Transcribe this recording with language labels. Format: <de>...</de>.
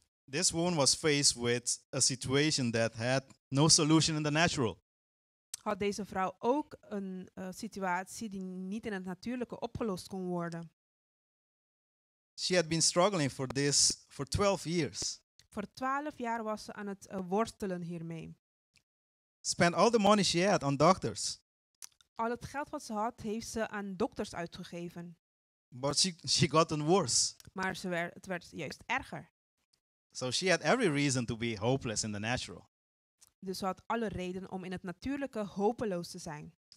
<en>This woman was faced with a situation that had no solution in the natural.</en> <nl>Had deze vrouw ook een situatie die niet in het natuurlijke opgelost kon worden.</nl> <en>She had been struggling for this for 12 years.</en> <nl>Voor 12 jaar was ze aan het worstelen hiermee.</nl> <en>Spent all the money she had on doctors.</en> <nl>Al het geld wat ze had, heeft ze aan dokters uitgegeven.</nl> <en>But she gotten worse.</en> <nl>Maar het werd juist erger.</nl> <en>So she had every reason to be hopeless in the natural.</en> <nl>Dus ze had alle reden om in het natuurlijke hopeloos te zijn.</nl>